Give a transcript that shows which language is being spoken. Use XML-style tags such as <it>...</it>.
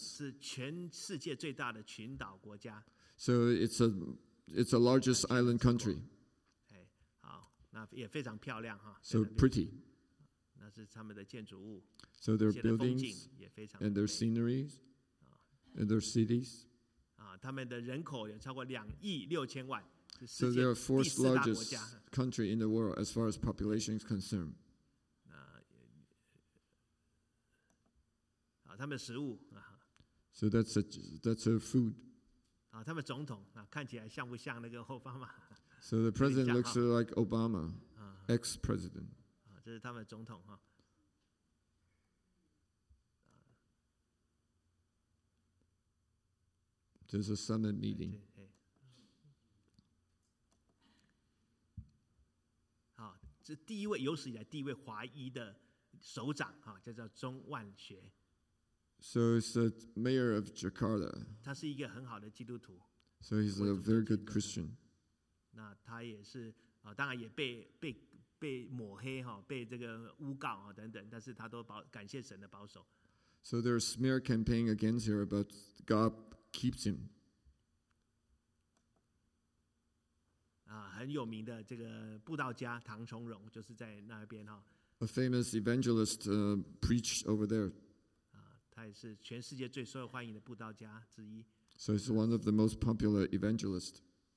<zh>是全世界最大的群岛国家。</zh> <en>So it's a largest island country.</en> <zh>好，那也非常漂亮。</zh> <en>So pretty.</en> <zh>那是他们的建筑物。</zh> <en>So their buildings and their sceneries. And their cities.</en> <zh>他们的人口有超过2,600,000,000。</zh> <en>So they are fourth largest country in the world as far as population is concerned.</en> <zh>他们食物。</zh> <en>So that's a food.</en> <zh>他们总统看起来像不像那个奥巴马。</zh> <en>So the president looks like Obama, ex-president.</en> <zh>这是他们总统。</zh> <en>There's a summit meeting.</en> <zh>好，这第一位有史以来第一位华裔的首长，叫钟万学。</zh> <en>So he's the mayor of Jakarta.</en> <zh>他是一个很好的基督徒。</zh> <en>So he's a very good Christian.</en> <zh>那他也是当然也被抹黑被这个诬告等等，但是他都感谢神的保守。</zh> <en>So there's a smear campaign against him, but God. Keeps him.</en> <zh>很有名的这个布道家唐崇荣就是在那边哈。</zh> <en>A famous evangelist preached over there.</en> <zh>他也是全世界最受欢迎的布道家之一。</zh> <en>So he's one of the most popular evangelists.</en>